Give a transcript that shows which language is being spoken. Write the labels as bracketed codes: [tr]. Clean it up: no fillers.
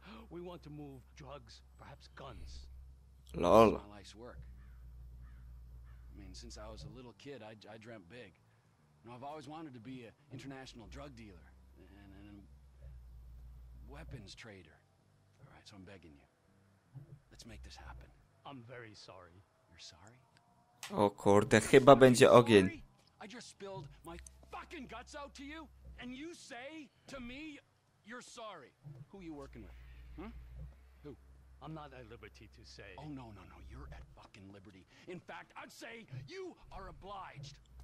[en] We want to move drugs, perhaps guns. Lol. My life's work. I mean, since I was a little kid, I dreamt big. You know, I've always wanted to be an international drug dealer and a weapons trader. All right, so I'm begging you. Let's make this happen. I'm very sorry. You're sorry? [pl] O kurde, chyba będzie ogień. [en] I just spilled my fucking guts out to you and you say to me you're sorry. Who are you working with? Huh? Who? I'm not at liberty to say. Oh, no, no, no. You're at fucking liberty. In fact, I'd say you are obliged.